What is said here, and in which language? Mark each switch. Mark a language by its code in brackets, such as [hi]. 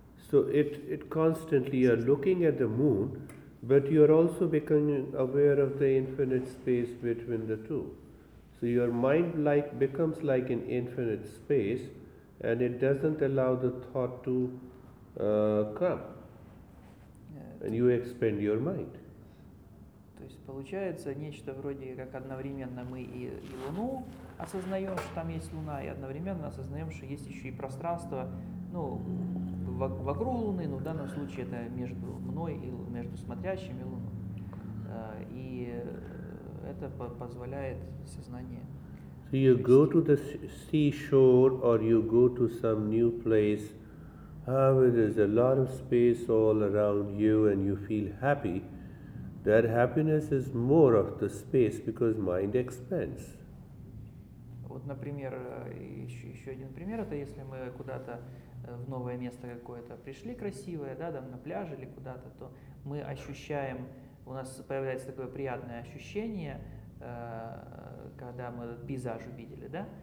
[en] So it constantly you're looking at the moon, but you're also becoming aware of the infinite space between the two. So your mind like becomes like an infinite space, and it doesn't allow the thought to come. And you expand your mind. [ru] То есть получается нечто вроде как одновременно мы и Луну осознаем, что там есть Луна, и одновременно осознаем, что есть еще и пространство, ну, вокруг Луны, но в данном случае это между мной и между смотрящим и Луной. И это позволяет сознание. [en] So you go to the seashore or you go to some new place. There's a lot of space all around you and you feel happy. That happiness is more of the space because mind expands. [ru] Вот, например, еще один пример, это если мы куда-то в новое место какое-то пришли красивое, да, там на пляж или куда-то, то мы ощущаем, у нас появляется такое приятное ощущение, когда мы этот пейзаж увидели, да?